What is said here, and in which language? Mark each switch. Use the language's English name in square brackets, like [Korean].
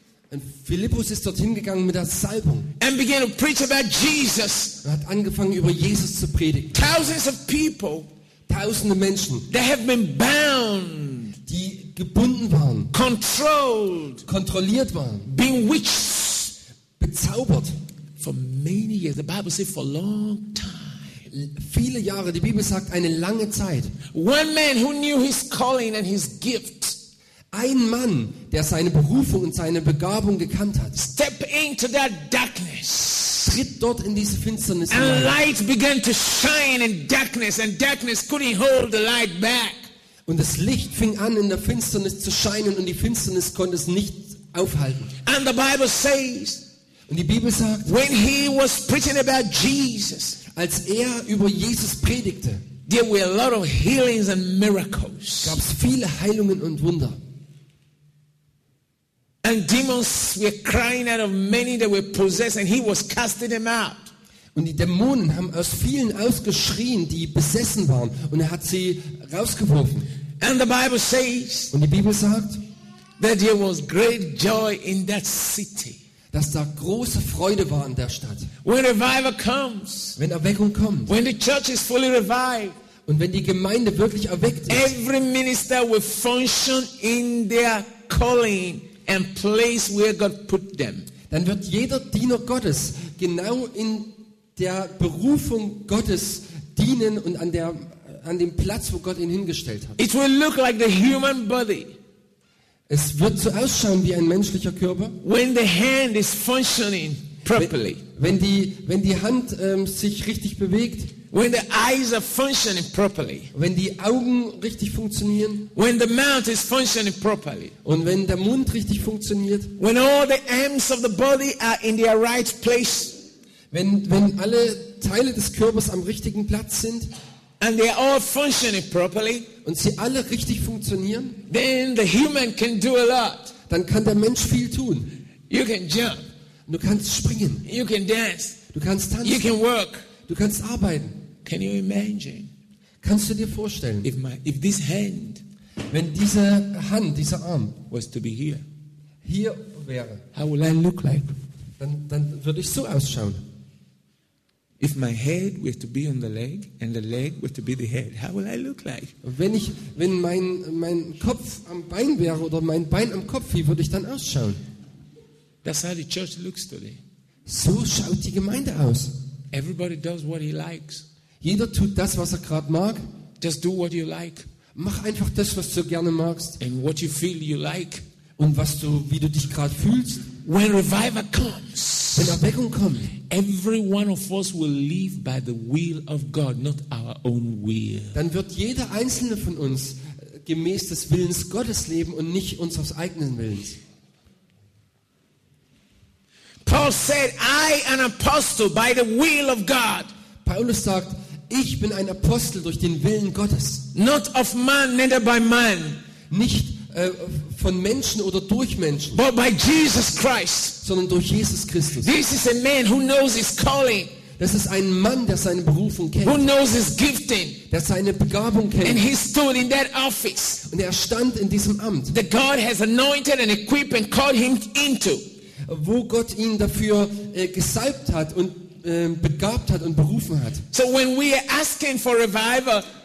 [German] Und Philippus ist dorthin gegangen mit der Salbung. [English] And began to preach about Jesus. [German] Er hat angefangen über Jesus zu predigen. [English] Thousands of people, [German] tausende Menschen, [English] they have been bound, [German] die gebunden waren, [English] controlled, [German] kontrolliert waren, [English] being witches, [German] bezaubert, [English] for many years. The Bible says for a long time. [German] Viele Jahre. Die Bibel sagt eine lange Zeit. [English] One man who knew his calling and his gift. [German] Ein Mann, der seine Berufung und seine Begabung gekannt hat. [English] Step into that darkness. [German] Tritt dort in diese Finsternis hinein. [English] And light began to shine in darkness, and darkness couldn't hold the light back. [German] Und das Licht fing an in der Finsternis zu scheinen und die Finsternis konnte es nicht aufhalten. [English] And the Bible says, [German] und die Bibel sagt, [English] when he was preaching about Jesus, [German] als er über Jesus predigte, [English] There were a lot of healings and miracles. [German] Gab's viele Heilungen und Wunder. [English] And demons were crying out of many that were possessed, and he was casting them out. [German] Und die Dämonen haben aus vielen ausgeschrien, die besessen waren, und hat sie rausgeworfen. [English] And the Bible says. [German] Und die Bibel sagt, [English] that there was great joy in that city. [German] Dass da große Freude war in der Stadt. [English] When revival comes, [German] wenn Erweckung kommt, [English] when the church is fully revived, [German] und wenn die Gemeinde wirklich erweckt ist, [English] every minister will function in their calling and place where God put them. [German] Dann wird jeder Diener Gottes genau in der Berufung Gottes dienen und an dem Platz, wo Gott ihn hingestellt hat. [English] It will look like the human body. [German] Es wird so ausschauen wie ein menschlicher Körper. [English] When the hand is functioning properly. [German] Wenn die Hand sich richtig bewegt. [English] When the eyes are functioning properly. [German] Wenn die Augen richtig funktionieren. [English] When the mouth is functioning properly. [German] Und wenn der Mund richtig funktioniert. [English] When all the arms of the body are in their right place. [German] Wenn alle Teile des Körpers am richtigen Platz sind. [English] And they are all functioning properly. [German] Und sie alle richtig funktionieren. [English] Then the human can do a lot. [German] Dann kann der Mensch viel tun. [English] You can jump. [German] Du kannst springen. [English] You can dance. [German] Du kannst tanzen. [English] You can work. [German] Du kannst arbeiten. [English] Can you imagine? [German] Kannst du dir vorstellen, [English] if this hand, [German] wenn diese Hand, dieser Arm, [English] was to be here, [German] hier wäre, [English] how will I look like? [German] Dann würde ich so ausschauen. [English] If my head were to be on the leg and the leg were to be the head, how will I look like? [German] Wenn mein Kopf am Bein wäre oder mein Bein am Kopf, wie würde ich dann ausschauen? [English] That's how the church looks today. [German] So schaut die Gemeinde aus. [English] Everybody does what he likes. [German] Jeder tut das, was gerade mag. [English] Just do what you like. [German] Mach einfach das, was du gerne magst. [English] And what you feel you like. [German] Und wie du dich gerade fühlst. [English] When revival comes. [German] Wenn Erweckung kommt. [English] Every one of us will live by the will of God, not our own will. [German] Dann wird jeder einzelne von uns gemäß des Willens Gottes leben und nicht unseres eigenen Willens. [English] Paul said, I an apostle by the will of God. [German] Paulus sagt, ich bin ein Apostel durch den Willen Gottes. [English] Not of man, neither by man. [German] Nicht von Menschen oder durch Menschen. [English] But by Jesus Christ. [German] Sondern durch Jesus Christus. [English] This is a man who knows his calling. [German] Das ist ein Mann, der seine Berufung kennt. [English] Who knows his gifting. [German] Der seine Begabung kennt. [English] And he stood in that office. [German] Und er stand in diesem Amt. [English] That God has anointed and equipped and called him into. [German] Wo Gott ihn dafür gesalbt hat und begabt hat und berufen hat. [English] So when we are asking for revival,